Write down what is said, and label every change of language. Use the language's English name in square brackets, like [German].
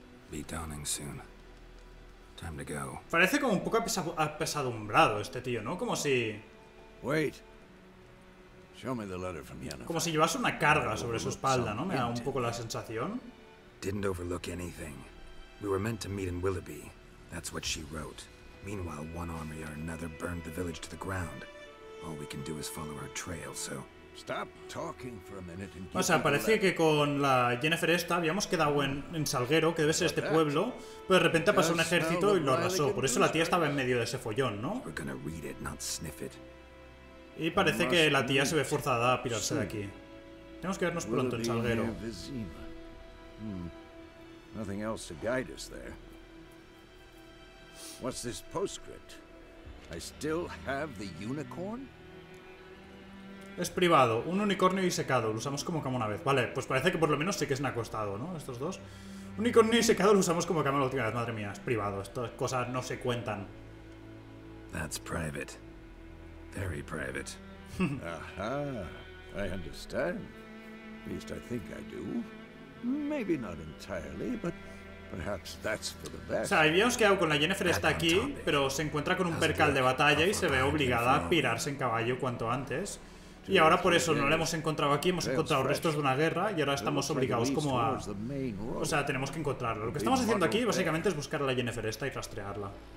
[English] Be dawning soon. Time to go. [Spanish] Parece como un poco apesadumbrado este tío, ¿no? Como si... [English] Wait. Show me the letter from Yennefer. [Spanish] Como si llevase una carga sobre su espalda, ¿no? Me da un poco la sensación. [English] Didn't overlook anything. We were meant to meet in Willoughby. That's what she wrote. Meanwhile, one army or another burned the village to the ground. All we can do is follow our trail, so... Stop talking for a minute and... [Spanish] O sea, parece que con la Yennefer esta habíamos quedado en Salguero, que debe ser este pueblo, pero de repente pasó un ejército y lo arrasó. Por eso la tía estaba en medio de ese follón, ¿no? [English] We're gonna read it, not sniff it. [Spanish] Y parece que la tía se ve forzada a pirarse de aquí. Tenemos que vernos pronto en Salguero. [English] Nothing else to guide us there. What's this postscript? I still have the unicorn. [Spanish] Es privado, un unicornio disecado, lo usamos como cama una vez. Vale, pues parece que por lo menos sí que se han acostado, ¿no? Estos dos. Unicornio disecado lo usamos como cama la última vez, madre mía, es privado, estas cosas no se cuentan. [English] That's private. Very private. Aha, I understand. At least I think I do. Maybe not entirely, but perhaps that's for the best. [Spanish] O sea, habíamos quedado con la Yennefer está aquí, pero se encuentra con un percal de batalla y se ve obligada a pirarse en caballo cuanto antes. Y ahora por eso no la hemos encontrado aquí, hemos encontrado restos de una guerra y ahora estamos obligados como a... O sea, tenemos que encontrarla. Lo que estamos haciendo aquí básicamente es buscar a la Yennefer esta y rastrearla.